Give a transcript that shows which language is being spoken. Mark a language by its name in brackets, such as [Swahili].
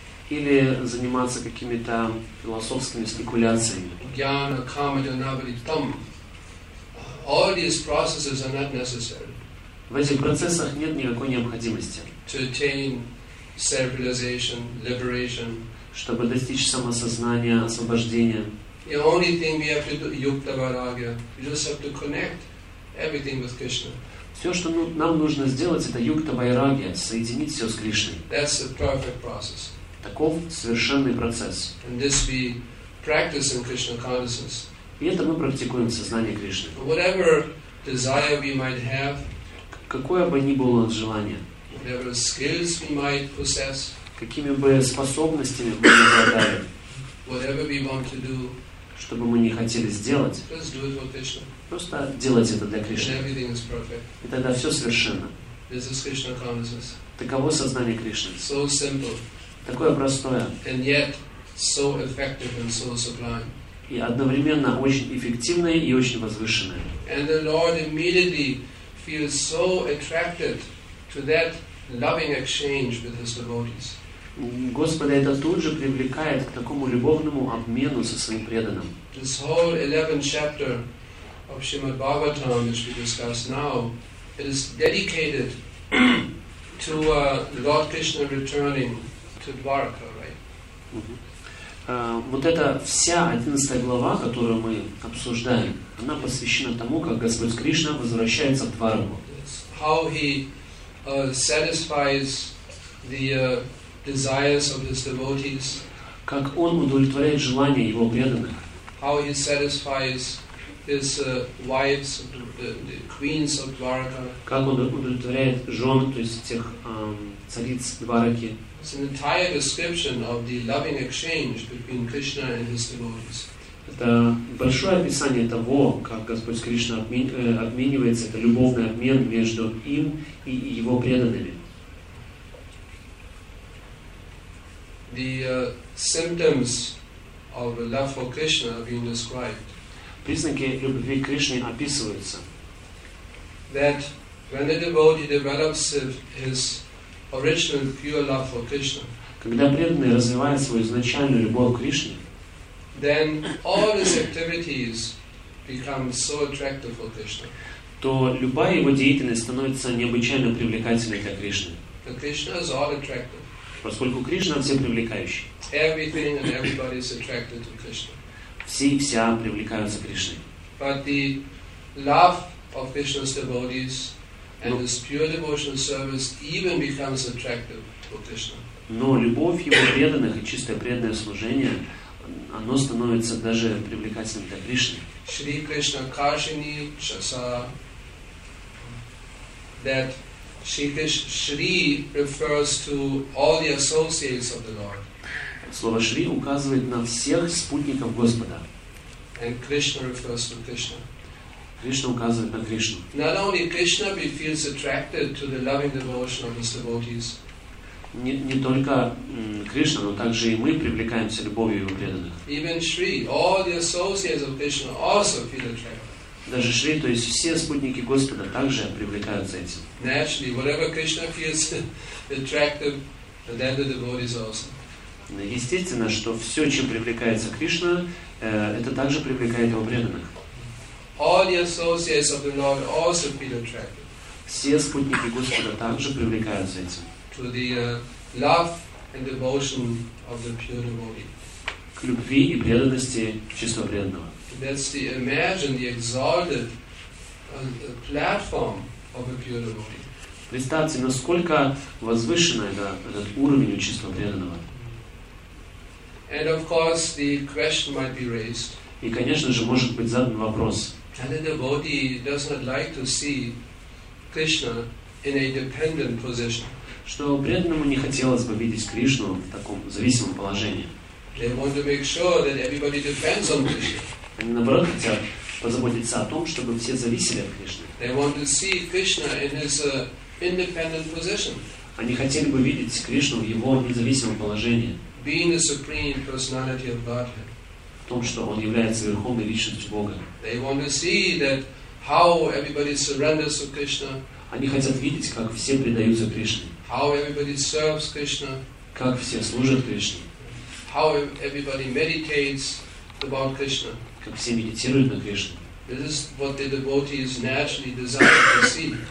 [Russian] Или заниматься какими-то философскими спекуляциями. [Sanskrit] Jnana, kamaja, navritam. [English] All these processes are not necessary. [Russian] В этих процессах нет никакой необходимости. [English] To attain self-realization, liberation. [Russian] Чтобы достичь самосознания, освобождения. [English] The only thing we have to do, yukta varagya, we just have to connect everything with Krishna. [Russian] Все, что нам нужно сделать, это юкта вайрагья, соединить все с Кришной. [English] That's the perfect process. [Russian] Таков совершенный процесс. [English] And this we practice in Krishna consciousness. [Russian] И это мы практикуем в сознании Кришны. [English] Whatever desire we might have, [Russian] какое бы ни было желание, [English] whatever skills we might possess, [Russian] какими бы способностями мы ни обладали, [English] whatever we want to do, [Russian] что бы мы ни хотели сделать, [English] just do it for Krishna. [Russian] Просто делать это для Кришны. [English] And everything is perfect. [Russian] И тогда все совершенно. [English] This is Krishna consciousness. [Russian] Таково сознание Кришны. [English] So simple. [Russian] Такое простое. [English] And yet so effective and so sublime. [Russian] И одновременно очень эффективное и очень возвышенное. [English] And the Lord immediately feels so attracted to that loving exchange with his devotees. [Russian] Господа это тут же привлекает к такому любовному обмену со своим преданным. [English] This whole 11th chapter of Srimad Bhagavatam, which we discuss now, is dedicated to Lord Krishna returning to Dwarka, right? [Russian] Вот эта вся 11 глава, которую мы обсуждаем, она посвящена тому, как Господь Кришна возвращается в Дварку. [English] How he satisfies the desires of his devotees. [Russian] Как он удовлетворяет желания его преданных. [English] How he satisfies his wives, the queens of Dwarka. [Russian] Как он удовлетворяет жен, то есть тех цариц Двараки. [English] It's an entire description of the loving exchange between Krishna and his devotees. [Russian] Это большое описание того, как Господь Кришна обменивается, это любовный обмен между им и его преданными. [English] The symptoms of love for Krishna are being described. [Russian] Признаки любви к Кришне описываются. [English] That when the devotee develops his original pure love for Krishna. [Russian] Когда преданный развивает свою изначальную любовь к Кришне, [English] then all his activities become so attractive for Krishna. [Russian] То любая его деятельность становится необычайно привлекательной для Кришны. [English] But Krishna is all attractive. [Russian] Поскольку Кришна все привлекающий. [English] Everything and everybody is attracted to Krishna. [Russian] Все и вся привлекаются к Кришне. [English] But the love of Krishna's devotees and his pure devotional service even becomes attractive for Krishna. [Russian] Но любовь его преданных и чистое преданное служение, оно становится даже привлекательным для Кришны. Шри Кришна Кашини Часа. [English] That Шри refers to all the associates of the Lord. [Russian] Слово Шри указывает на всех спутников Господа. [English] And Krishna refers to Krishna. [Russian] Кришна указывает на Кришну. [English] Not only Krishna feels attracted to the loving devotion of his devotees. [Russian] Не только Кришна, но также и мы привлекаемся любовью его преданных. [English] Even Shri, all the associates of Krishna also feel attracted. [Russian] Даже Шри, то есть все спутники Господа также привлекаются этим. [English] Naturally, whatever Krishna feels attractive, then the devotees also. [Russian] Естественно, что все, чем привлекается Кришна, это также привлекает его преданных. [English] All the associates of the Lord also feel attracted. [Russian] Все спутники Господа также привлекаются этим. [English] To the love and devotion of the pure devotee. [Russian] К любви и преданности чисто преданного. [English] That's the imagine the exalted platform of a pure devotee. [Russian] Представьте, насколько возвышен этот уровень чисто преданного. [English] And of course, the question might be raised. [Russian] И, конечно же, может быть задан вопрос. [English] And the devotee does not like to see Krishna in a dependent position. [Russian] Что преданному не хотелось бы видеть Кришну в таком зависимом положении. [English] They want to make sure that everybody depends on Krishna. [Russian] Они наоборот хотят, позаботиться о том, чтобы все зависели от Кришны. [English] They want to see Krishna in his independent position. [Russian] Они хотели бы видеть Кришну в его независимом положении. [English] Being the supreme personality of Godhead. [Russian] В том, что он является верховной личностью Бога. [English] They want to see that how everybody surrenders to Krishna. [Russian] Они хотят видеть, как все предаются Кришне. [English] How everybody serves Krishna. [Russian] Как все служат Кришне. [English] How everybody meditates about Krishna. [Russian] Как все медитируют на Кришне. [English] This is what the devotee is naturally desired to see.